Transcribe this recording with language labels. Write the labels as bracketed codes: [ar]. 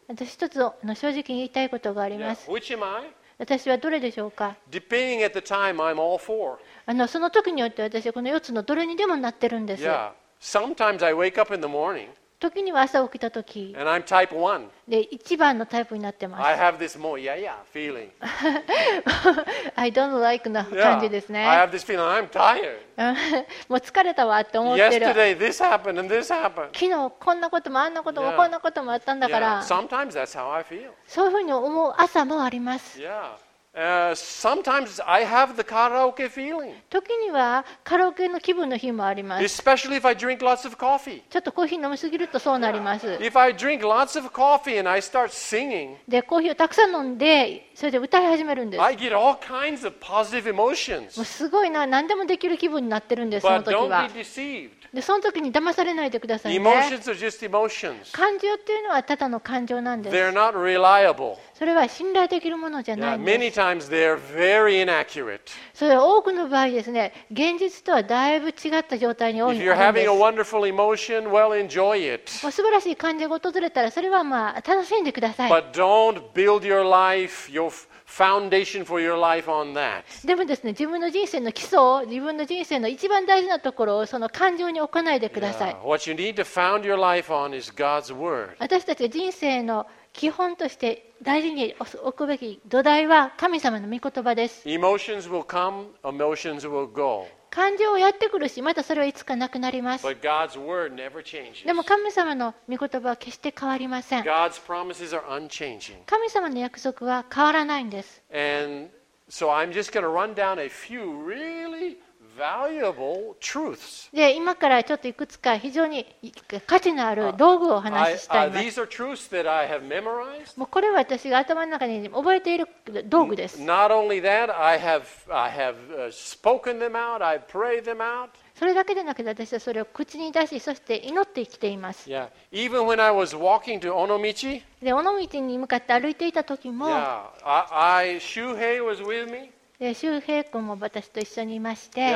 [ja] 私一つ正直に言いたいことがあります。 [en] Yeah. Which am I? [ja] 私はどれでしょうか。 [en] Depending at the time, I'm all four. [ja] その時によって私はこの4つのどれにでもなってるんです。 [en] Yeah. Sometimes I wake up in the morning. [ja] 時には朝起きた時。 [en] And I'm type one. [ja] で一番のタイプになってます。 [en] I have this more yeah yeah feeling. I don't like [ja] な感じですね。 [en] Yeah. I have this feeling. I'm tired. [ja] もう疲れたわって思ってる。 [en] Yesterday this happened and this happened. [ja] 昨日こんなこともあんなこともこんなこともあったんだから。 [en] Yeah. Sometimes that's how I feel. [ja] そういうふうに思う朝もあります。 [en] Sometimes I have the karaoke feeling. [ja] 時にはカラオケの気分の日もあります。 [en] Especially if I drink lots of coffee. [ja] ちょっとコーヒー飲みすぎるとそうなります。 [en] If I drink lots of coffee and I start singing. [ja] でコーヒーをたくさん飲んでそれで歌い始めるんです。 [en] I get all kinds of positive emotions. [ja] もうすごいな、何でもできる気分になってるんですその時は。 [en] But don't be deceived. [ja] でその時に騙されないでくださいね。 [en] Emotions are just emotions. [ja] 感情っていうのはただの感情なんです。 [en] They're not reliable. [ja] それは信頼できるものじゃないんです。 [en] Yeah, many times they're very inaccurate. [ja] それは多くの場合ですね、現実とはだいぶ違った状態に多いんです。 [en] If you're having a wonderful emotion, well, enjoy it. [ja] 素晴らしい感情が訪れたらそれはまあ楽しんでください。 [en] But don't build your life, your foundation for your life on that. [ja] でもですね、自分の人生の基礎、自分の人生の一番大事なところをその感情に置かないでください。 [en] Yeah. What you need to found your life on is God's word. [ja] 私たちが人生の基本として大事に置くべき土台は神様の御言葉です。 [en] Emotions will come, emotions will go. [ja] 感情をやってくるし、またそれはいつかなくなります。 [en] But God's word never changes. [ja] でも神様の御言葉は決して変わりません。 [en] God's promises are unchanging. [ja] 神様の約束は変わらないんです。 [en] And so I'm just going to run down a few really valuable truths. [ja] で、今からちょっといくつか非常に価値のある道具をお話ししたいです。 [en] These are truths that I have memorized. [ja] もうこれは私が頭の中に覚えている道具です。 [en] Not only that, I have spoken them out, I pray them out. [ja] それだけでなくて、私はそれを口に出し、そして祈って生きています。 [en] Yeah. Even when I was walking to Onomichi, [ja] で、尾道に向かって歩いていた時も、 [en] yeah. I Shuhei was with me. [ja] で、周平君も私と一緒にいまして、